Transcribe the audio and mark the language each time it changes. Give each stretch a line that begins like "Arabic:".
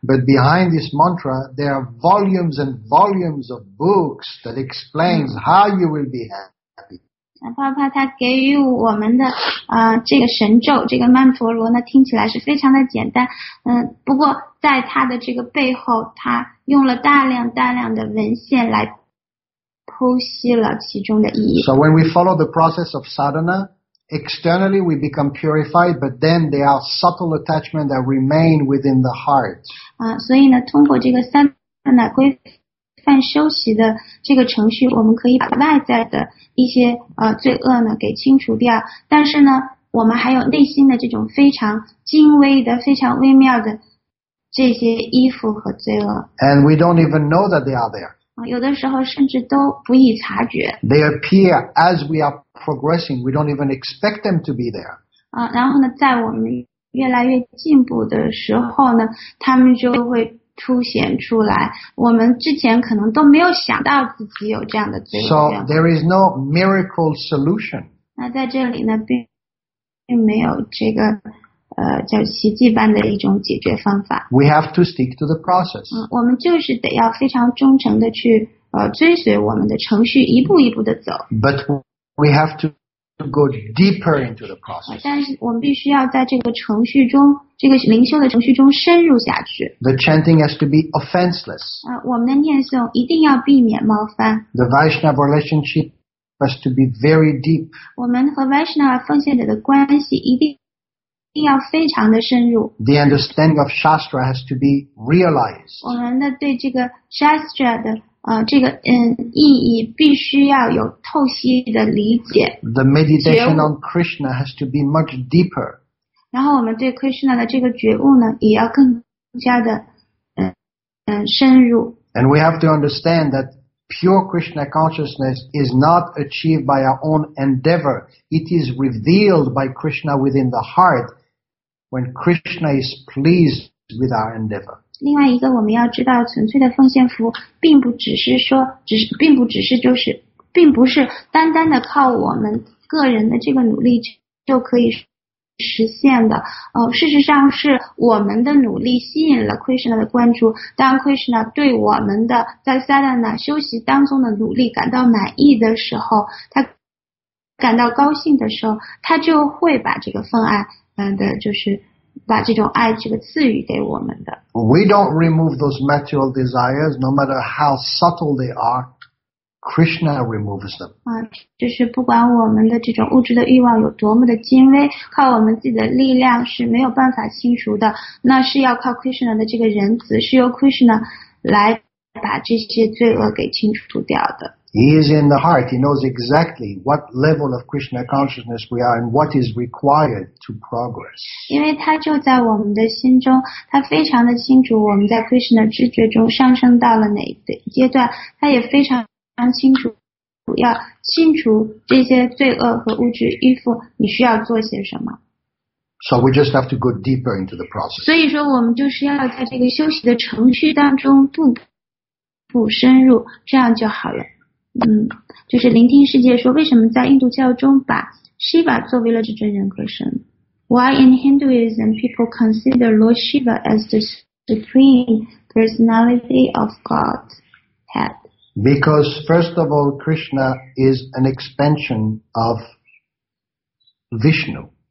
English: But behind this mantra, there are volumes and volumes of books that explains how you will be happy.
Chinese: 爸爸他给予我们的这个神咒这个曼陀罗呢听起来是非常的简单不过在他的这个背后他用了大量大量的文献来剖析了其中的意义。
English: So when we follow the process of sadhana, externally we become purified, but then there are subtle attachments that remain within the heart.
Chinese: 所以呢，通过这个 sadhana 规范修习的这个程序，我们可以把外在的一些罪恶呢给清除掉，但是呢，我们还有内心的这种非常精微的、非常微妙的这些依附和罪恶。
English: And we don't even know that they are there.
Chinese: 有的时候甚至都不易察觉。
English: They appear as we are progressing. We don't even expect them to be there.
Chinese: 然后呢，在我们越来越进步的时候呢，他们就会出现出来。我们之前可能都没有想到自己有这样的罪恶。
English: So there is no miracle solution.
Chinese: 那在这里呢，并没有这个叫奇迹般的一种解决方法。
English: We have to stick to the process.
Chinese: 我们就是得要非常忠诚的去追随我们的程序，一步一步的走。
English: But we have to go deeper into the process.
Chinese: 但是我们必须要在这个程序中，这个灵修的程序中深入下去。
English: The chanting has to be offenseless.
Chinese: 我们的念诵一定要避免冒犯。
English: The Vaishnava relationship has to be very deep.
Chinese: 我们和 Vaishnava 奉献者的关系一定要非常的深入。
English: The understanding of Shastra has to be realized.
Chinese: 我们的对这个 Shastra 的这个意义必须要有透析的理解。
English: The meditation on Krishna has to be much deeper.
Chinese: 然后我们对 Krishna 的这个觉悟呢，也要更加的深入。
English: And we have to understand that pure Krishna consciousness is not achieved by our own endeavor. It is revealed by Krishna within the heart when Krishna is pleased with our endeavor.
Chinese: 另外一个我们要知道，纯粹的奉献服务并不只是说，只是并不只是就是，并不是单单的靠我们个人的这个努力就可以实现的。事实上是我们的努力吸引了 Krishna 的关注，当 Krishna 对我们的在 Sadhana 休息当中的努力感到满意的时候，他感到高兴的时候，他就会把这个份爱的就是把这种爱这个赐予给我们的。
English: We don't remove those material desires no matter how subtle they are. Krishna removes them.
Chinese: 就是不管我们的这种物质的欲望有多么的精微，靠我们自己的力量是没有办法清除的，那是要靠 Krishna 的这个仁慈，是由 Krishna 来把这些罪恶给清除掉的。
English: He is in the heart. He knows exactly what level of Krishna consciousness we are and what is required to progress.
Chinese: 因为他就在我们的心中，他非常的清楚我们在 Krishna 知觉中上升到了哪个阶段，他也非常清楚要清除这些罪恶和物质依附，你需要做些什么。
English: So we just have to go deeper into the process.
Chinese: 所以说我们就是要在这个休息的程序当中步步深入，这样就好了。就是聆听世界说，为什么在印度教中把 Shiva 作为了至尊人格神？
English: Why in Hinduism people consider Lord Shiva as the supreme personality of Godhead? Because, first of all, Krishna is an expansion of Vishnu.